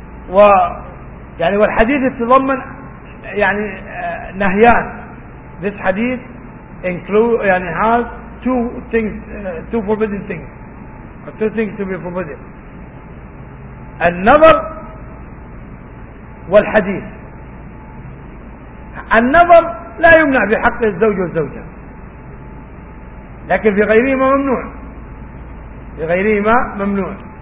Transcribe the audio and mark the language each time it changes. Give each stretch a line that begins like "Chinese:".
Arabic: و يعني والحديث يتضمن يعني نهيان.
English: This hadith include يعني has two forbidden things to be forbidden
Arabic: النظر والحديث. النظر لا يمنع بحق الزوج والزوجة، لكن في غيرهما ممنوع، في غيرهما ممنوع.